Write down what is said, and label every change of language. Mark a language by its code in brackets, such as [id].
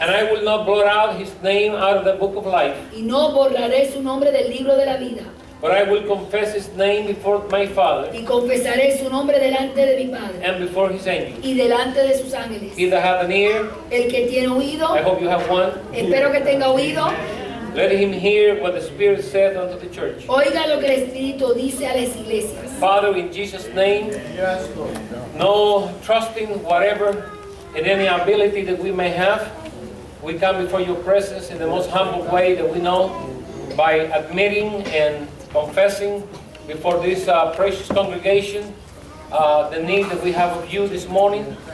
[en] And I will not blot out his name out of the book of life. [es] Y no borraré su nombre del libro de la vida. [en] But I will confess his name before my Father. [es] Y confesaré su nombre delante de mi Padre. [en] And before his angels. [es] Y delante de sus ángeles. [en] He that hath an ear. [es] El que tiene oído. [en] I hope you have one. [es] Espero que tenga oído. [en] Let him hear what the Spirit said unto the church. [es] Oiga lo que el Espíritu dice a las iglesias. [en] Father, in Jesus' name, no trusting whatever in any ability that we may have, we come before your presence in the most humble way that we know, by admitting and confessing before this precious congregation the need that we have of you this morning.